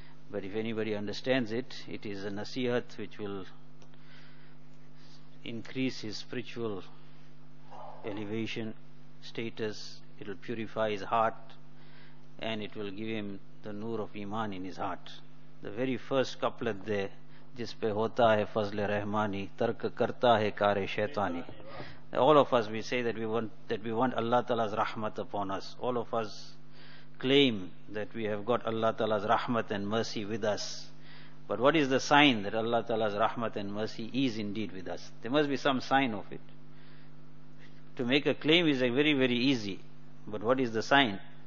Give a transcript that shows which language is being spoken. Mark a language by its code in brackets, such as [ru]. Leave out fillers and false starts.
[en] But if anybody understands it, it is a nasihat which will increase his spiritual elevation, status, it will purify his heart, and it will give him the noor of iman in his heart. The very first couplet there, [ur] جس پہ ہوتا ہے فضل رحمانی ترک کرتا ہے کار شیطانی. [en] All of us, we say that we want Allah Ta'ala's rahmat upon us. All of us claim that we have got Allah Ta'ala's rahmat and mercy with us. But what is the sign that Allah Ta'ala's rahmat and mercy is indeed with us? There must be some sign of it. To make a claim is a very, very easy. But what is the sign?